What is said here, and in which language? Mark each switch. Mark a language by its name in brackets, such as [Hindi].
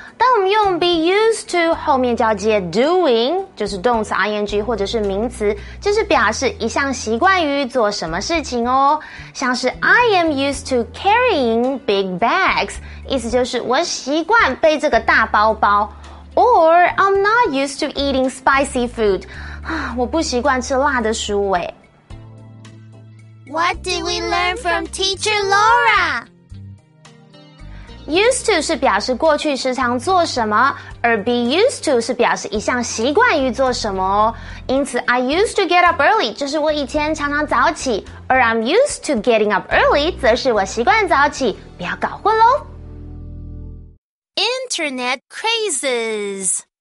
[Chinese] 当我们用 be used to 后面就要接 doing， 就是动词 ing 或者是名词，就是表示一项习惯于做什么事情哦。像是 [English] I am used to carrying big bags， [Chinese] 意思就是我习惯背这个大包包。 [English] Or I'm not used to eating spicy food， [Chinese] 我不习惯吃辣的食物诶。 [English] What did we learn from Teacher Laura？ [Chinese] Used to 是表示过去时常做什么，而 be used to 是表示一项习惯于做什么哦。因此 [English] I used to get up early [Chinese] 就是我以前常常早起，而 [English] I'm used to getting up early [Chinese] 则是我习惯早起，不要搞混咯。 [English] Internet crazes。